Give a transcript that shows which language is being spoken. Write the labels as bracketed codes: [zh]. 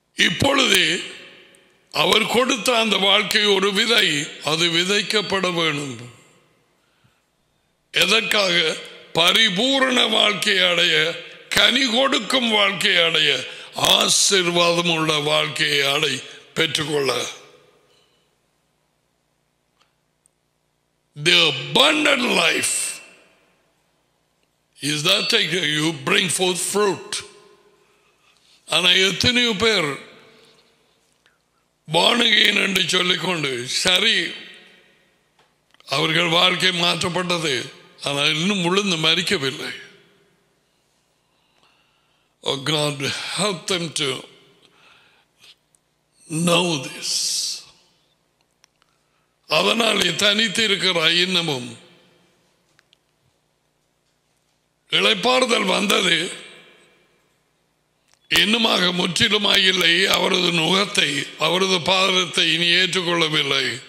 [ta] இப்பொழுது அவர் கொடுத்த அந்த வாழ்க்கை ஒரு விதை, அது விதைக்கப்பட வேண்டும். எதற்காக? பரிபூர்ண வாழ்க்கை அடைய, கனி கொடுக்கும் வாழ்க்கை அடைய, ஆசீர்வாதம் உள்ள வாழ்க்கையை அடை, பெற்றுக்கொள்ள. [en] The abundant life is that you bring forth fruit. [ta] ஆனா எத்தனையோ பேர் வாணுகேன் என்று சொல்லிக்கொண்டு, சரி அவர்கள் வாழ்க்கை மாற்றப்பட்டது, ஆனால் இன்னும் முழுந்து மறிக்கவில்லை. [en] Oh God, help them to know this. [ta] அதனாலே தனித்து இருக்கிறாய். இன்னமும் இளைப்பாறுதல் வந்தது, இன்னுமாக முற்றிலுமாக இல்லை. அவரது நுகத்தை, அவரது பாதத்தை இனி ஏற்றுக்கொள்ளவில்லை.